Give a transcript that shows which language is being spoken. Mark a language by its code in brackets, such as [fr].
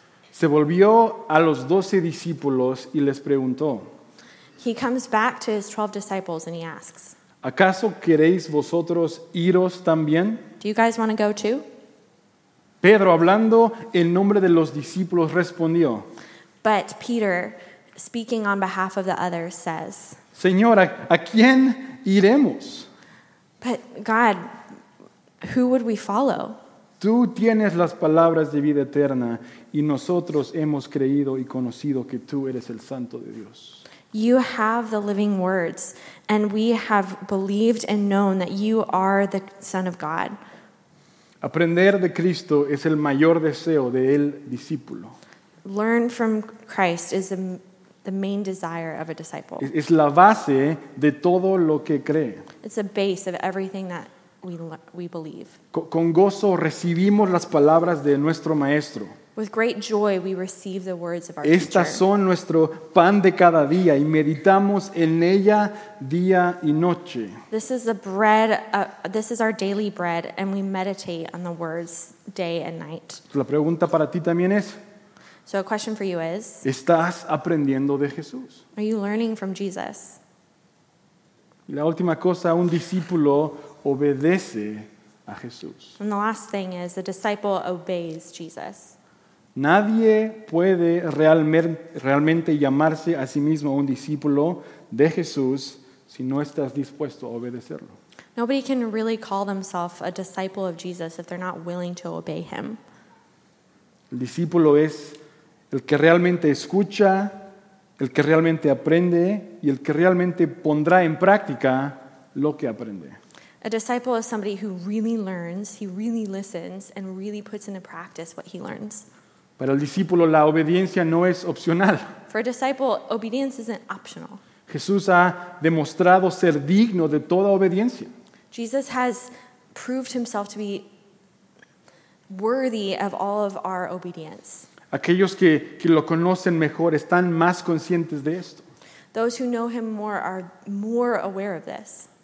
[es] Se volvió a los 12 discípulos y les preguntó. [en] He comes back to his 12 disciples and he asks. [es] ¿Acaso queréis vosotros iros también? [en] Do you guys want to go too? [es] Pedro, hablando en nombre de los discípulos, respondió. [en] But Peter, speaking on behalf of the others, says. [es] Señor, ¿a quién iremos? [en] But God, who would we follow? [es] Tú tienes las palabras de vida eterna y nosotros hemos creído y conocido que tú eres el Santo de Dios. [en] You have the living words and we have believed and known that you are the Son of God. [es] Aprender de Cristo es el mayor deseo del discípulo. [en] Learn from Christ is the main desire of a disciple. [es] Es la base de todo lo que cree. [en] It's the base of everything that we believe. [es] Con gozo recibimos las palabras de nuestro maestro. [en] With great joy we receive the words of our teacher. [es] Estas son nuestro pan de cada día y meditamos en ella día y noche. [en] This is the bread. This is our daily bread, and we meditate on the words day and night. [es] La pregunta para ti también es. [en] So a question for you is. [es] ¿Estás aprendiendo de Jesús? [en] Are you learning from Jesus? [es] La última cosa, un discípulo obedece a Jesús. [en] And the last thing is, the disciple obeys Jesus. [es] Nadie puede realmente llamarse a sí mismo un discípulo de Jesús si no estás dispuesto a obedecerlo. [en] Nobody can really call themselves a disciple of Jesus if they're not willing to obey him. [es] El discípulo es el que realmente escucha, el que realmente aprende y el que realmente pondrá en práctica lo que aprende. [en] A disciple is somebody who really learns, he really listens, and really puts into practice what he learns. [es] Para el discípulo, la obediencia no es opcional. [en] For a disciple, obedience isn't optional. [es] Jesús ha demostrado ser digno de toda obediencia. [en] Jesus has proved himself to be worthy of all of our obedience. [es] Aquellos que lo conocen mejor están más conscientes de esto. [en] Those who know him more are more aware of this.